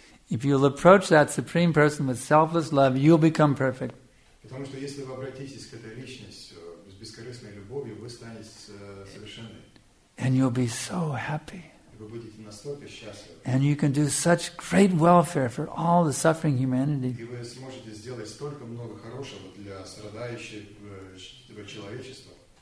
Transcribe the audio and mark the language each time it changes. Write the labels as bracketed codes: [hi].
[en] If you'll approach that Supreme Person with selfless love, you'll become perfect. [ru] Потому что если вы обратитесь к этой личности с бескорыстной любовью, вы станете совершенны. [en] And you'll be so happy. [ru] И вы будете настолько счастливы. [en] And you can do such great welfare for all the suffering humanity. [ru] И вы сможете сделать столько много хорошего для страдающего человечества.